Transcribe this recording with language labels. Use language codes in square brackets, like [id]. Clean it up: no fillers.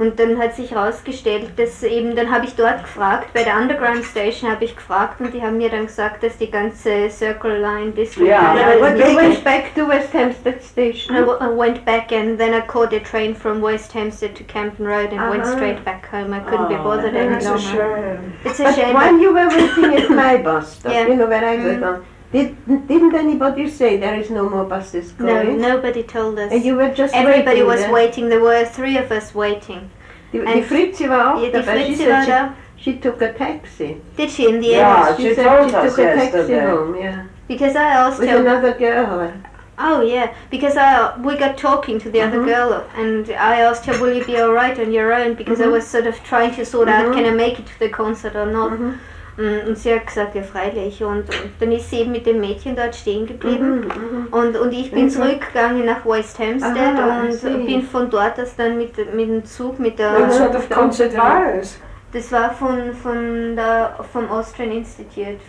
[de] Und dann hat sich herausgestellt, dass eben, dann habe ich dort gefragt, bei der Underground Station habe ich gefragt, und die haben mir dann gesagt, dass die ganze Circle Line [en] went back to West Hampstead Station. I went back, and then I caught a train from West Hampstead to Camden Road and went straight back home. I couldn't be bothered anymore. It's a shame. But you were waiting at my bus stop, where I live on. Didn't anybody say there is no more buses going? No, nobody told us. And you were just everybody was waiting. There were three of us waiting. [de] Die Fritzi war auch dabei. [en] She took a taxi. Did she in the end? Yeah, she took a taxi home. Because I asked with her... With another girl. Oh yeah, because we got talking to the other girl, and I asked her, will you be all right on your own? Because I was sort of trying to sort out, can I make it to the concert or not? [de] Mm-hmm. Und sie hat gesagt, ja freilich. Und dann ist sie eben mit dem Mädchen dort stehen geblieben. Und ich bin zurückgegangen nach West Hampstead bin von dort aus dann mit dem Zug, mit der... [en] What sort of concert [de] war es? Das war vom Austrian Institute.